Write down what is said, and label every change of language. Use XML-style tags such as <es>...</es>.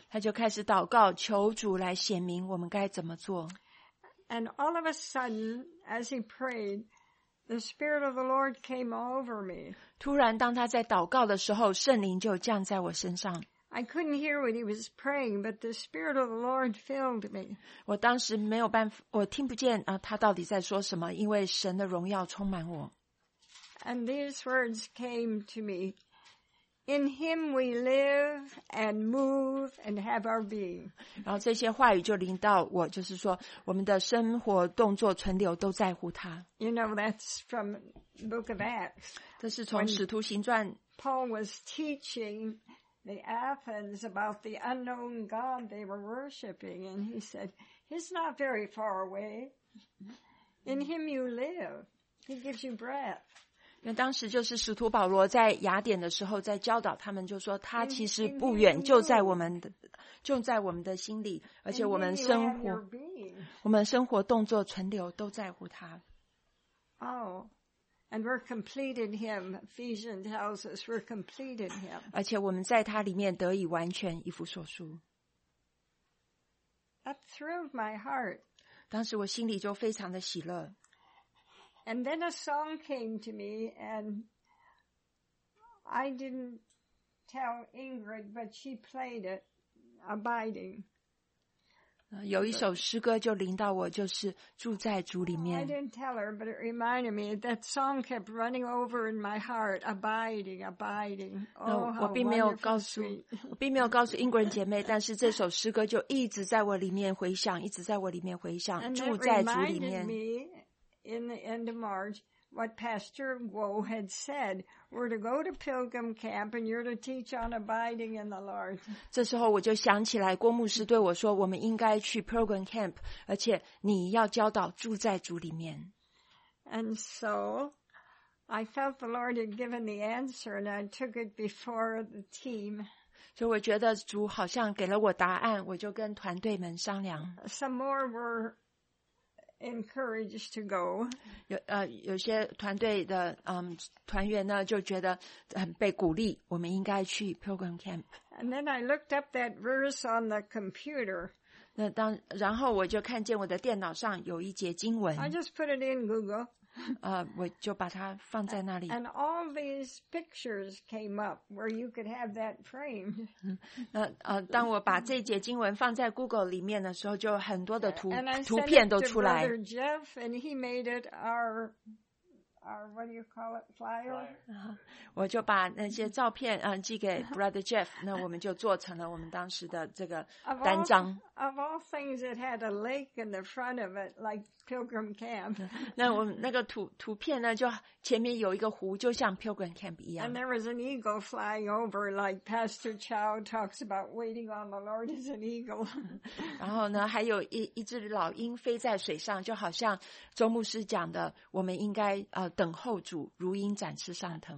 <zh>他就开始祷告，求主来显明我们该怎么做。</zh> <en>And all of a sudden, as he prayed, the Spirit of the Lord came over me.</en> <zh>突然，当他在祷告的时候，圣灵就降在我身上。</zh> <en>I couldn't hear what he was praying, but the Spirit of the Lord filled me.</en> <zh>我当时没有办法，我听不见他到底在说什么，因为神的荣耀充满我。</zh> <en>And these words came to me. In him we live and move and have our being.</en> <zh>然后这些话语就临到我，就是说我们的生活动作存留都在乎他。</zh> <en>You know, that's from the book of Acts.</en> <zh>这是从使徒行传。</zh> <en>Paul was teaching the Athens about the unknown God they were worshipping. And he said, he's not very far away. In him you live. He gives you breath.</en> <zh>因为当时就是使徒保罗在雅典的时候在教导他们，就说他其实不远，就在我们的心里，而且我们生活动作存留都在乎他。</zh> <en>Oh, and we're complete in him. Ephesians tells us we're complete in him.</en> <zh>而且我们在他里面得以完全，以弗所书。</zh> <en>That thrilled my heart.</en> <zh>当时我心里就非常的喜乐。</zh> <en>And then a song came to me, and I didn't tell Ingrid, but she played it, Abiding.</en> <zh>有一首诗歌就临到我，就是住在主里面。</zh> <en>I didn't tell her, but it reminded me that song kept running over in my heart, Abiding, Abiding. Oh, how wonderful!</en> <zh>我并没有告诉 Ingrid 姐妹，但是这首诗歌就一直在我里面回响，住在主里面。</zh> <en>In the end of March, what Pastor Guo had said, we're to go to Pilgrim Camp and you're to teach on abiding in the Lord.</en> <zh>这时候我就想起来郭牧师对我说，我们应该去 Pilgrim Camp, 而且你要教导住在主里面。</zh> <en>And so, I felt the Lord had given the answer and I took it before the team.</en> <zh>所以我觉得主好像给了我答案，我就跟团队们商量。</zh> <en>Some more were encouraged to go.</en> <zh>有些团队的团员呢就觉得被鼓励，我们应该去 Pilgrim Camp.</zh> <en>And then I looked up that verse on the computer.</en> <zh>然后我就看见我的电脑上有一节经文。</zh> <en>I just put it in Google.</en> <zh>我就把它放在那里。</zh> <en>And all these pictures came up where you could have that framed.</en> <zh>当我把这节经文放在 Google 里面的时候，就很多的图片都出来。</zh> <en>And I sent it to Brother Jeff, and he made it our what do you call it flyer.</en> <zh>我就把那些照片寄给 Brother Jeff, 那我们就做成了我们当时的这个单张。</zh> <en>Of all things, it had a lake in the front of it, like Pilgrim Camp.</en> <zh>那我们那个图片呢，就前面有一个湖，就像 Pilgrim Camp 一样。</zh> <en>And there was an eagle flying over, like Pastor Chow talks about waiting on the Lord as an eagle.</en> <zh>然后呢，还有一只老鹰飞在水上，就好像周牧师讲的，我们应该等候主如鹰展翅上腾。</zh>